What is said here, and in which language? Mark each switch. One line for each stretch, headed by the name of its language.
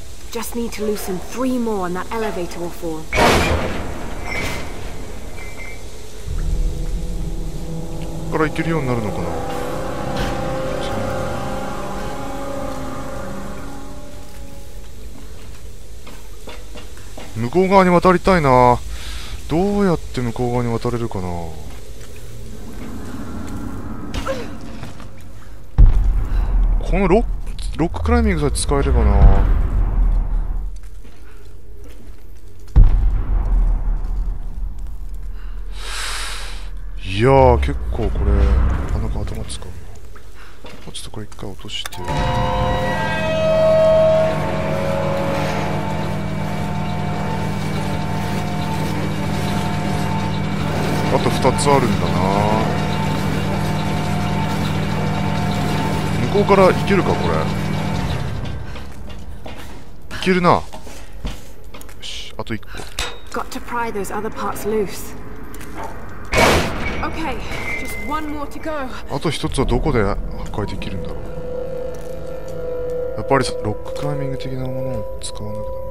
English: Just need to loosen three more and that elevator will fall.
Japanese: から行けるようになるのかな。向こう側に渡りたいな。どうやって向こう側に渡れるかな。このロッククライミングさえ使えればな。いやー、結構これなかなか頭使うな。もうちょっとこれ一回落として、あと2つあるんだな。向こうから行けるか、これ行けるな。よし、あと1個。
English: Got to pry those other parts looseOkay. Just one more to go.
Japanese: あと1つはどこで破壊できるんだろう。やっぱりロッククライミング的なものを使わなきゃ。